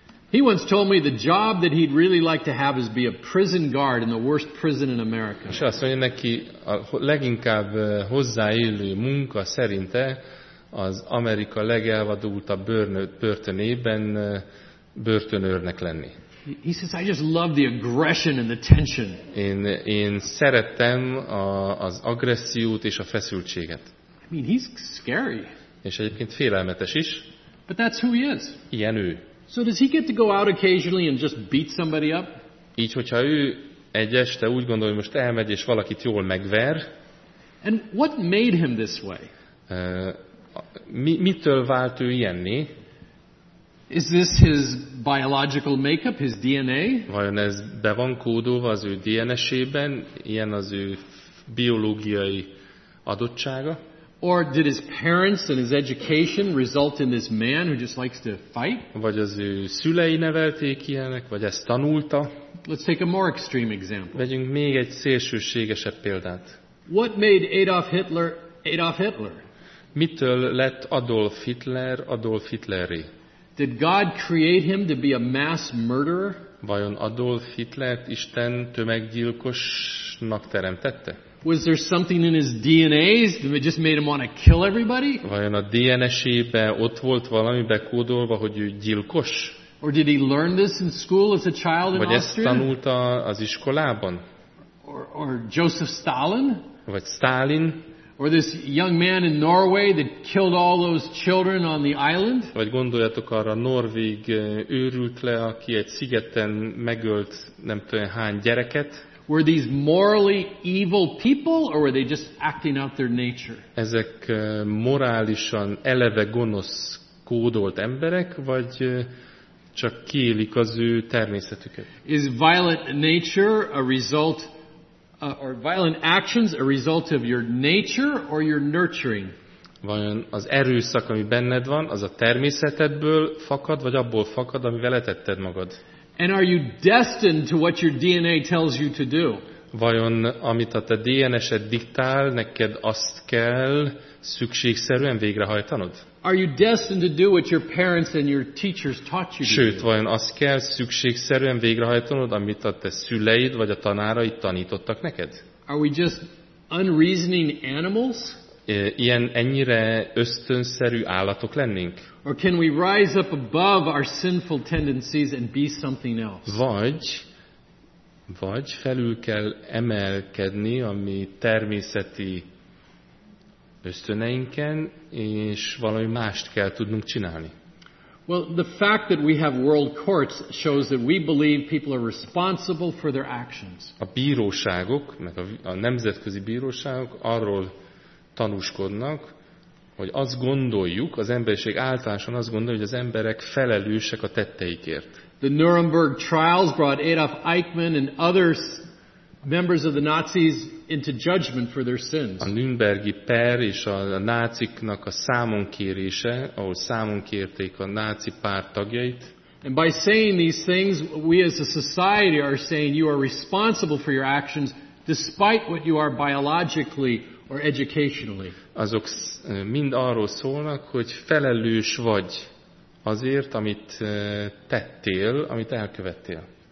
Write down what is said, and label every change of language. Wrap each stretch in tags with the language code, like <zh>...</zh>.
<en>He once told me the job that he'd really like to have is be a prison guard in the worst prison in America.</en> <hu>És azt mondja neki, a leginkább hozzáillő munka szerinte az Amerika legelvadultabb börtönében börtönőrnek lenni.</hu> <en>He says, I just love the aggression and the tension.</en> <hu>Én szerettem az agressziót és a feszültséget.</hu> <en>I mean, he's scary.</en> <hu>És egyébként félelmetes is.</hu> <en>But that's who he is.</en> <hu>Ilyen ő.</hu> <en>So does he get to go out occasionally and just beat somebody up?</en> <hu>Így, hogyha ő egy este úgy gondolja, hogy most elmegy és valakit jól megver.</hu> <en>And what made him this way?</en> <hu>Mitől vált ő ilyenné?</hu> <en>Is this his biological makeup, his DNA?</en> <hu>Vajon ez be van kódolva az ő DNS-ében, ilyen az ő biológiai adottsága?</hu> <en>Or did his parents and his education result in this man who just likes to fight?</en> <hu>Vagy az ő szülei nevelték ilyenek, vagy ezt tanulta?</hu> <en>Let's take a more extreme example.</en> <hu>Vegyünk még egy szélsőségesebb példát.</hu> <en>What made Adolf Hitler Adolf Hitler?</en> <hu>Mitől lett Adolf Hitler Adolf Hitlerré?</hu> <en>Did God create him to be a mass murderer?</en> <hu>Vajon Adolf Hitlert Isten tömeggyilkosnak teremtette?</hu> <en>Was there something in his DNA that just made him want to kill everybody?</en> <hu>Vajon a DNS-ébe ott volt valami bekódolva, hogy ő gyilkos?</hu> <en>Or did he learn this in school as a child in</en> <hu>Vagy Vagy ezt tanulta az iskolában?</hu> <en>Or Joseph Stalin?</en> <hu>Vagy Stalin?</hu> <en>Or this young man in Norway that killed all those children on the island?</en> <hu>Vagy gondoljatok arra norvég őrült le, aki egy szigeten megölt nem tudom hány gyereket?</hu> <en>Were these morally evil people, or were they just acting out their nature?</en> <hu>Ezek morálisan eleve gonosz kódolt emberek, vagy csak kiélik az ő természetüket?</hu> <en>Is violent nature a result, or violent actions a result of your nature or your nurturing?</en> <hu>Vajon az erőszak, ami benned van, az a természetedből fakad, vagy abból fakad, amivel letetted magad?</hu> <en>And are you destined to what your DNA tells you to do?</en> <hu>Vajon amit a te DNS-ed diktál, neked azt kell szükségszerűen végrehajtanod?</hu> <en>Are you destined to do what your parents and your teachers taught you to do?</en> <hu>Sőt, vajon azt kell szükségszerűen végrehajtanod, amit a te szüleid vagy a tanáraid tanítottak neked?</hu> <en>Are we just unreasoning animals?</en> <hu>Ilyen ennyire ösztönszerű állatok lennénk?</hu> <en>Or can we rise up above our sinful tendencies and be something else?</en> <hu>Vagy felül kell emelkedni a mi természeti ösztöneinken, és valami mást kell tudnunk csinálni.</hu> <en>Well, the fact that we have world courts shows that we believe people are responsible for their actions.</en> <hu>A bíróságok, meg a nemzetközi bíróságok arról tanúskodnak, hogy azt gondoljuk, az emberiség általánosan azt gondolja, hogy az emberek felelősek a tetteikért.</hu> <en>The Nuremberg trials brought Adolf Eichmann and other members of the Nazis into judgment for their sins.</en> <hu>A Nürnbergi per és a náciknak a számon kérése, ahol számon kérték a náci párt tagjait.</hu> <en>And by saying these things, we as a society are saying you are responsible for your actions despite what you are biologically or educationally.</en> <hu>Azok mind arról szólnak, hogy felelős vagy azért, amit tettél, amit elkövettél.</hu>